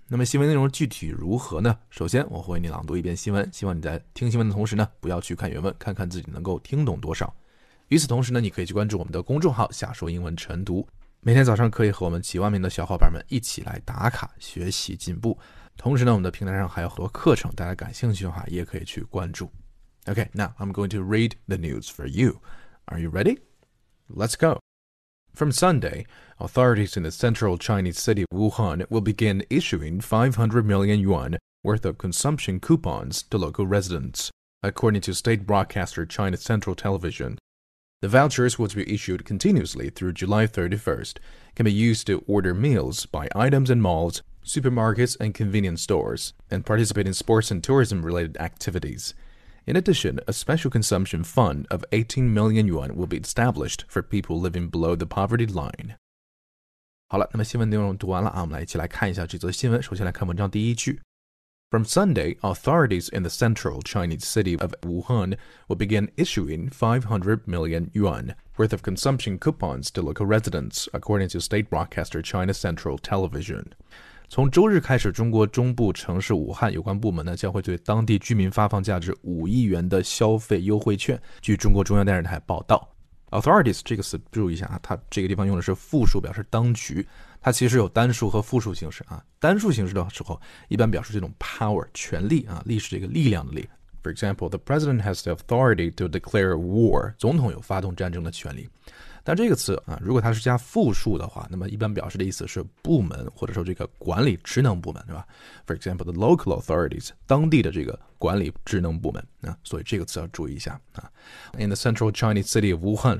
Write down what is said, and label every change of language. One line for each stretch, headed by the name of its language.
Chinese: 那么新闻内容具体如何呢？首先，我会为你朗读一遍新闻，希望你在听新闻的同时呢，不要去看原文，看看自己能够听懂多少。与此同时呢，你可以去关注我们的公众号"夏说英文晨读"。每天早上可以和我们几万名的小伙伴们一起来打卡学习进步，同时呢，我们的平台上还有很多课程，大家感兴趣的话也可以去关注。
English: OK, now I'm going to read the news for you. Are you ready? Let's go. From Sunday, authorities in the central Chinese city Wuhan will begin issuing 500 million yuan worth of consumption coupons to local residents, according to state broadcaster China Central Television. The vouchers, which will be issued continuously through July 31st, can be used to order meals, buy items in malls, supermarkets, and convenience stores, and participate in sports and tourism-related activities. In addition, a special consumption fund of 18 million yuan will be established for people living below the poverty line.
Chinese: 好了，那么新闻内容读完了啊，我们来一起来看一下这则新闻。首先来看文章第一句。
English: From Sunday, authorities in the central Chinese city of Wuhan will begin issuing 500 million yuan worth of consumption coupons to local residents, according to state broadcaster China Central Television.
Chinese: 从周日开始，中国中部城市武汉有关部门呢将会对当地居民发放价值五亿元的消费优惠券。据中国中央电视台报道，authorities 这个词注意一下啊，它这个地方用的是复数，表示当局。它其实有单数和复数形式啊，单数形式的时候一般表示这种 power 权力啊，力是这个力量的力。
English: For example, the president has the authority to declare war.
Chinese: 总统有发动战争的权利。但这个词啊，如果它是加复数的话，那么一般表示的意思是部门或者说这个管理职能部门，对吧？
English: For example, the local authorities,
Chinese: 当地的这个管理职能部门啊，所以这个词要注意一下啊。
English: In the central Chinese city of Wuhan,